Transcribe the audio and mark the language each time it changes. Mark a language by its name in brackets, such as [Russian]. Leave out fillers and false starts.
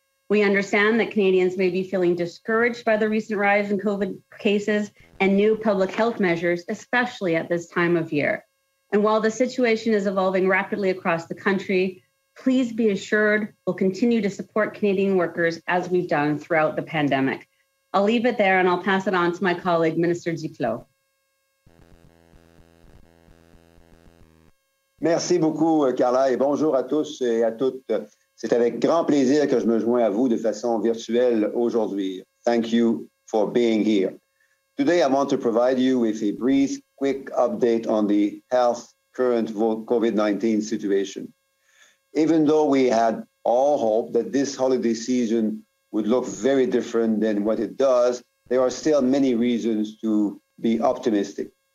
[English] We understand that Canadians may be feeling discouraged by the recent rise in COVID cases and new public health measures, especially at this time of year. And while the situation is evolving rapidly across the country, please be assured we'll continue to support Canadian workers as we've done throughout the pandemic. I'll leave it there and I'll pass it on to my colleague, Minister Duclos. [French] Merci beaucoup, Carla, et bonjour à tous et à toutes. C'est avec grand plaisir que je me joins à vous de façon virtuelle aujourd'hui. [English] Thank you for being here. Today, I want to provide you with a brief, quick update on the health current COVID-19 situation. even though we had all hope that this holiday season would look very different than what it does, there are still many reasons to be optimistic.